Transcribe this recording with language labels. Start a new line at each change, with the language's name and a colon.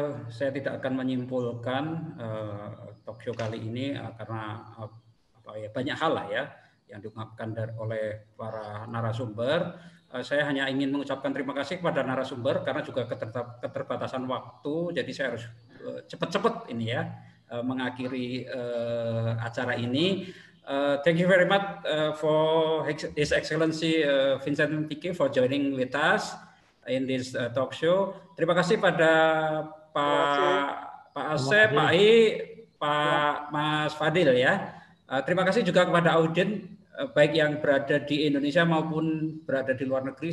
Indonesian: Saya tidak akan menyimpulkan talk show kali ini karena banyak hal lah ya yang diungkapkan oleh para narasumber. Saya hanya ingin mengucapkan terima kasih kepada narasumber karena juga keterbatasan waktu, jadi saya harus cepat-cepat ini ya mengakhiri acara ini.
English: Thank you very much for His Excellency Vincent Piqué for joining with us in this talk show.
Indonesian: Terima kasih pada Pak Asep, Pak I, Pak Mas Fadil ya. Terima kasih juga kepada audien, baik yang berada di Indonesia maupun berada di luar negeri.